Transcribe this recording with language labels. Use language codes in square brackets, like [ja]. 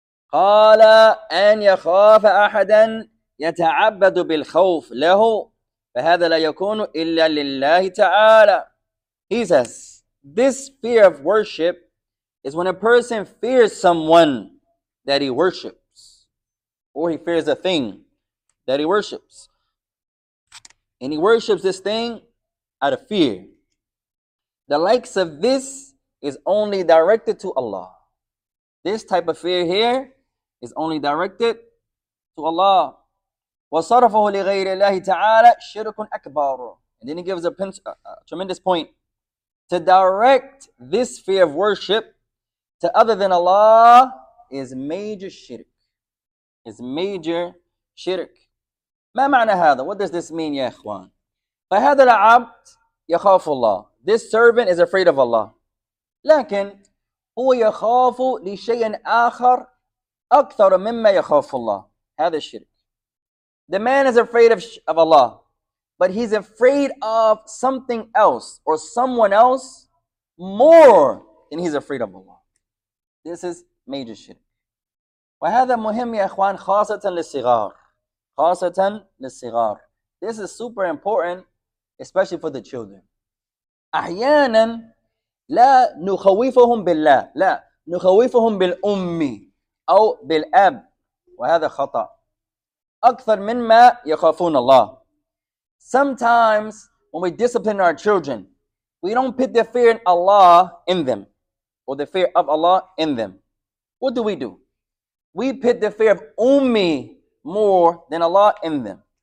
[ar] قال أن يخاف أحدا يتعبد بالخوف له فهذا لا يكون إلا لله تعالى. [en] He says, this fear of worship is when a person fears someone that he worships, or he fears a thing that he worships. And he worships this thing out of fear. The likes of this is only directed to Allah. This type of fear here is only directed to Allah. [ar] وَصَرَفَهُ لِغَيْرِ اللَّهِ تَعَالَى شِرْكٌ أَكْبَارُ. [en] And then he gives a tremendous point. To direct this fear of worship to other than Allah is major shirk. Is major shirk. [ar] مَا مَعْنَى هَذَا? [en] What does this mean, [ar] يَا إِخْوَانِ? فَهَذَا الْعَبْدِ يَخَافُ اللَّهِ. [en] This servant is afraid of Allah. [ar] لكن هو يخاف لشيء آخر أكثر مما يخاف الله. هذا الشرك. [en] The man is afraid of Allah. But he's afraid of something else or someone else more than he's afraid of Allah. This is major shirk. [ar] وهذا مهم يا إخوان خاصة للصغار. خاصة للصغار. [en] This is super important, especially for the children. [ar] أحيانا لا نخوفهم بالله. لا نخوفهم بالأم أو بالأب. وهذا خطأ. أكثر مما يخافون الله. [en] Sometimes when we discipline our children, we don't put the fear in Allah in them, or the fear of Allah in them. What do? We put the fear of ummi more than Allah in them.